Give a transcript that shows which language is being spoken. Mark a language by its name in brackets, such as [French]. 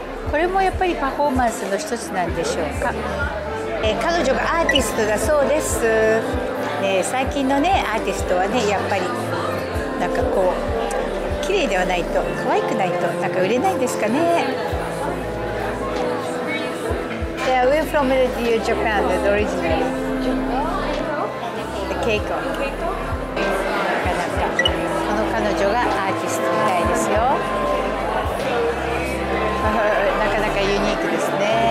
[Japanese] これもやっぱりパフォーマンスの一つなんでしょうか。彼女がアーティストだそうです、ね、最近のねアーティストはね、やっぱりなんかこう綺麗ではないと、可愛くないとなんか売れないんですかね。 [English] Yeah, we're from the Japan, the original. The Keiko. [Japanese] なかなかこの彼女がアーティストみたいですよ。なかなかユニークですね。